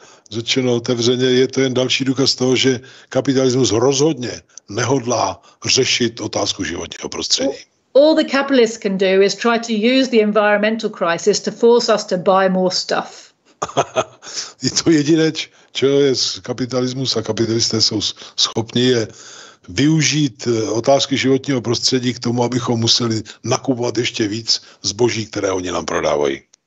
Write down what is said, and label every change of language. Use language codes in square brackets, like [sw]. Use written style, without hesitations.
[cs] Řečeno otevřeně, je to jen další důkaz toho, že kapitalismus rozhodně nehodlá řešit otázku životního prostředí. [en] All the capitalists can do is try to use the environmental crisis to force us to buy more stuff. [cs] Je to jediné, čeho je kapitalismus a kapitalisté jsou schopni je využít otázky životního prostředí k tomu, abychom museli nakupovat ještě víc zboží, které oni nám prodávají.